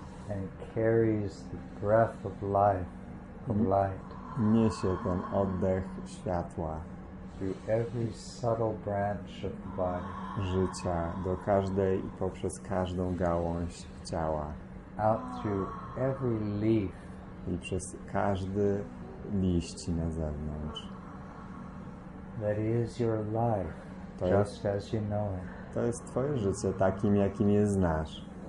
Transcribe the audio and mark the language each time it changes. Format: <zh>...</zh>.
<en>And carries the breath of life, of light.</en> <pl>Niesie ten oddech światła.</pl> <en>Through every subtle branch of the body.</en> <pl>Życia do każdej i poprzez każdą gałąź ciała.</pl> <en>Out through every leaf.</en> <pl>I przez każdy liść na zewnątrz.</pl> <en>That is your life,</en> <pl>to just jest,</pl> <en>as you know it.</en> <pl>To jest twoje życie takim, jakim je znasz.</pl>